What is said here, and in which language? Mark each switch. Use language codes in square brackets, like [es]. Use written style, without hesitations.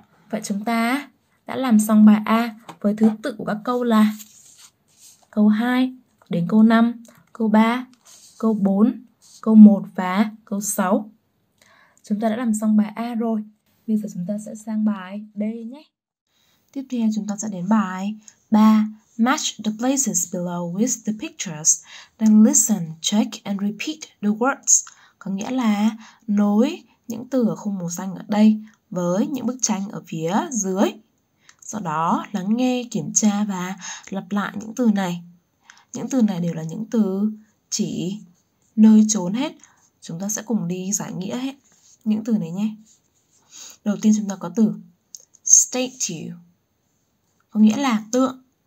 [vi] Vậy chúng ta đã làm xong bài A với thứ tự của các câu là câu 2 đến câu 5, câu 3, câu 4, câu 1 và câu 6. Chúng ta đã làm xong bài A rồi. Bây giờ chúng ta sẽ sang bài B nhé. Tiếp theo chúng ta sẽ đến bài 3. [en] Match the places below with the pictures, then listen, check and repeat the words. [vi] Có nghĩa là nối những từ ở khung màu xanh ở đây với những bức tranh ở phía dưới. Sau đó lắng nghe, kiểm tra và lặp lại những từ này. Những từ này đều là những từ chỉ nơi chốn hết. Chúng ta sẽ cùng đi giải nghĩa hết những từ này nhé. Đầu tiên chúng ta có từ statue, có nghĩa là tượng.